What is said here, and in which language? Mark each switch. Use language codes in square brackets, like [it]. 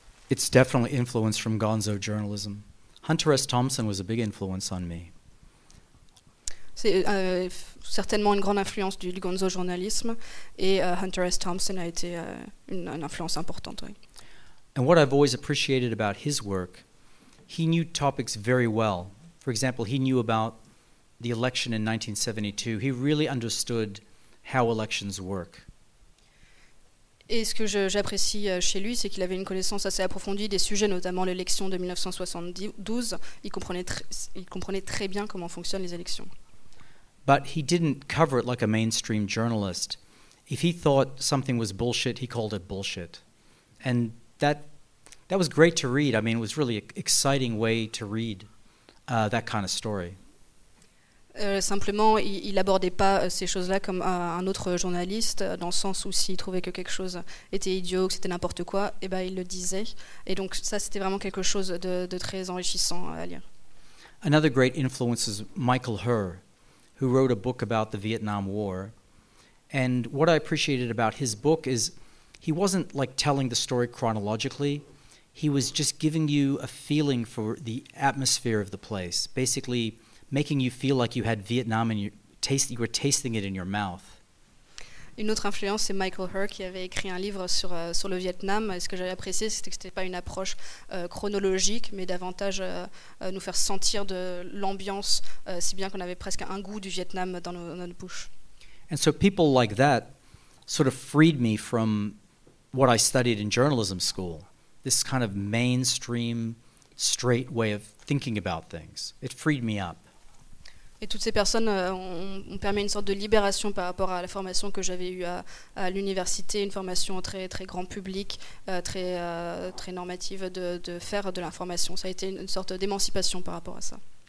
[en] It's definitely influence from gonzo journalism. Hunter S. Thompson was a big influence on me. [fr] C'est certainement une grande influence du gonzo journalisme, et Hunter S. Thompson a été une influence importante. Oui. [en] And what I've always appreciated about his work, he knew topics very well. For example, he knew about the election in 1972, he really understood how elections work. [fr] Et ce que j'apprécie chez lui, c'est qu'il avait une connaissance assez approfondie des sujets, notamment l'élection de 1972. Il comprenait très bien comment fonctionnent les élections. [en] But he didn't cover it like a mainstream journalist. If he thought something was bullshit, he called it bullshit. And that was great to read. I mean, it was really an exciting way to read that kind of story. [fr] Simplement, il n'abordait pas ces choses-là comme un autre journaliste, dans le sens où s'il trouvait que quelque chose était idiot, que c'était n'importe quoi, et ben il le disait. Et donc ça, c'était vraiment quelque chose de très enrichissant à lire. [en] Another great influence is Michael Herr, who wrote a book about the Vietnam War. And what I appreciated about his book is he wasn't like telling the story chronologically. He was just giving you a feeling for the atmosphere of the place. Basically, making you feel like you had Vietnam and you were tasting it in your mouth. [fr] Une autre influence, c'est Michael Herr, qui avait écrit un livre sur le Vietnam. Et ce que j'avais apprécié, c'était que ce n'était pas une approche chronologique, mais davantage nous faire sentir de l'ambiance, si bien qu'on avait presque un goût du Vietnam dans notre bouche. [en] And so people like that sort of freed me from what I studied in journalism school, this kind of mainstream, straight way of thinking about things. It freed me up. [fr] Et toutes ces personnes ont permis une sorte de libération par rapport à la formation que j'avais eue à l'université, une formation très, très grand public, très, très normative de faire de l'information. Ça a été une sorte d'émancipation par rapport à ça.